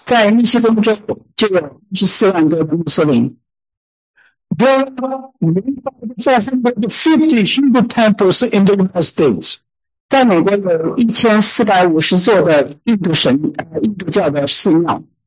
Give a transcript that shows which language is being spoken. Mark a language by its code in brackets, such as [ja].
[zh] 在密西根州就有14万个穆斯林。 [en] There are 450 Hindu temples in the United States. [zh] 在美国有1450座的印度教的寺庙。